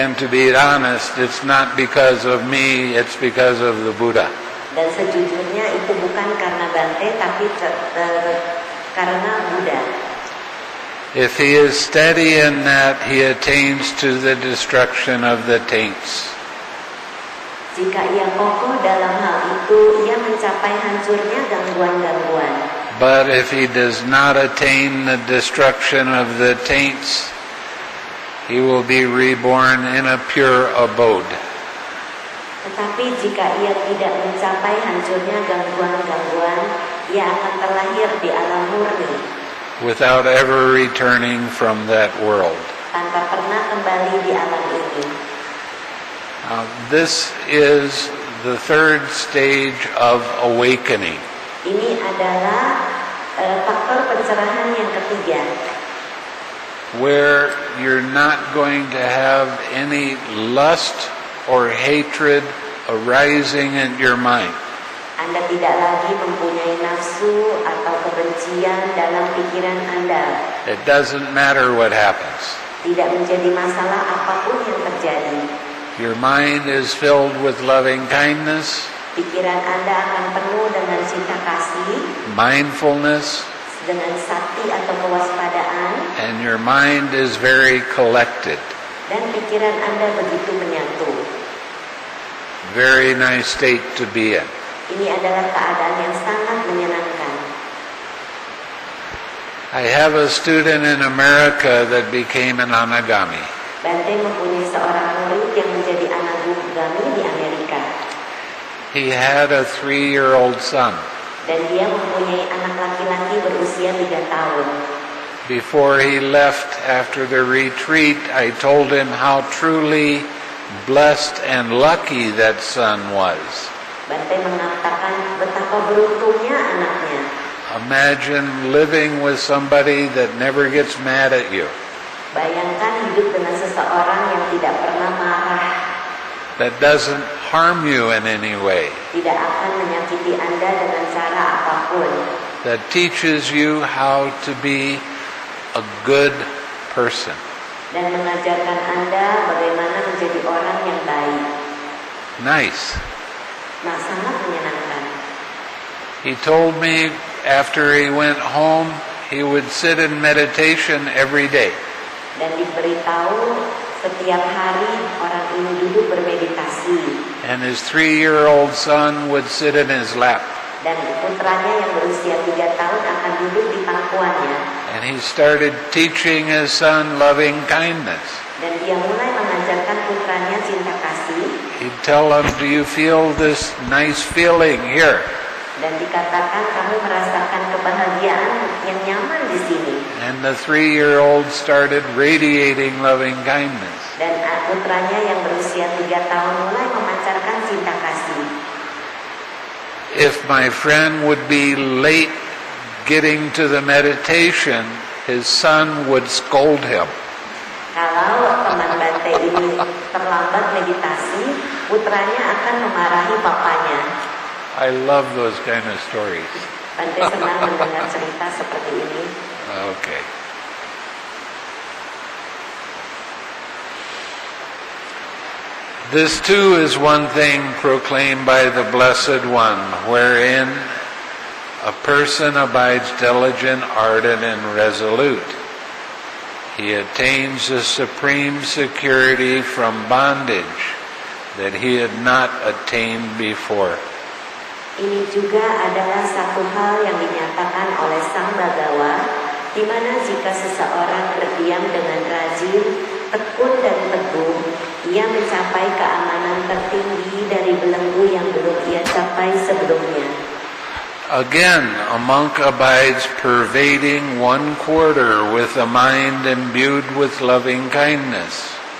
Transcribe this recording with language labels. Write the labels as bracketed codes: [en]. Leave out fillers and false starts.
[en] And to be honest, it's not because of me, it's because of the Buddha. [id] Dan sejujurnya itu bukan karena Bante, tapi karena Buddha. [en] If he is steady in that, he attains to the destruction of the taints. [id] Jika ia kokoh dalam hal itu, ia mencapai hancurnya gangguan-gangguan. [en] But if he does not attain the destruction of the taints, he will be reborn in a pure abode. [id] Tetapi jika ia tidak mencapai hancurnya gangguan-gangguan, ia akan terlahir di alam murni. [en] Without ever returning from that world. [id] Tanpa pernah kembali di alam ini. [en] Now, this is the third stage of awakening. [id] Ini adalah faktor pencerahan yang ketiga. [en] Where you're not going to have any lust or hatred arising in your mind. [id] Anda tidak lagi mempunyai nafsu atau kebencian dalam pikiran Anda. [en] It doesn't matter what happens. [id] Tidak menjadi masalah apapun yang terjadi. [en] Your mind is filled with loving kindness. [id] Pikiran Anda akan penuh dengan cinta kasih. [en] Mindfulness. [id] Dengan sati atau kewaspadaan. [en] And your mind is very collected. [id] Dan pikiran Anda begitu menyatu. [en] Very nice state to be in. [id] Ini adalah keadaan yang sangat menyenangkan. [en] I have a student in America that became an anagami. [id] Bante mempunyai seorang murid yang menjadi anagami di Amerika. [en] He had a 3-year-old son. [id] Dan dia mempunyai anak laki-laki berusia 3 tahun. [en] Before he left after the retreat, I told him how truly blessed and lucky that son was. [id] Bante mengatakan betapa beruntungnya anaknya. [en] Imagine living with somebody that never gets mad at you. [id] Bayangkan hidup dengan seseorang yang tidak pernah marah. [en] That doesn't harm you in any way. [id] Tidak akan menyakiti Anda dengan cara apapun. [en] That teaches you how to be a good person. [id] Dan mengajarkan Anda bagaimana menjadi orang yang baik. [en] Nice. [id] Nah, sangat menyenangkan. [en] He told me after he went home, he would sit in meditation every day. [id] Dan diberitahu setiap hari orang ini duduk bermeditasi. [en] And his 3-year-old son would sit in his lap. [id] Dan putranya yang berusia 3 tahun akan duduk di pangkuannya. [en] And he started teaching his son loving kindness. [id] Dan dia mulai mengajarkan putranya cinta kasih. [en] He'd tell him, "Do you feel this nice feeling here?" [id] Dan dikatakan, "Kamu merasakan kebahagiaan yang nyaman di sini." [en] And the 3-year-old started radiating loving kindness. [id] Dan putranya yang berusia 3 tahun mulai memancarkan cinta kasih. [en] If my friend would be late getting to the meditation, his son would scold him. [id] Kalau teman bante ini terlambat meditasi, putranya akan memarahi papanya. [en] I love those kind of stories. [id] Bante senang mendengar cerita seperti ini. [en] Okay. This too is one thing proclaimed by the Blessed One, wherein a person abides diligent, ardent, and resolute. He attains a supreme security from bondage that he had not attained before. [id] Ini juga adalah satu hal yang dinyatakan oleh Sang Bhagawa, di mana jika seseorang berdiam dengan rajin, tekun dan teguh, ia mencapai keamanan tertinggi dari belenggu yang belum ia capai sebelumnya. [en] Again, a monk abides pervading one quarter with a mind imbued with loving kindness.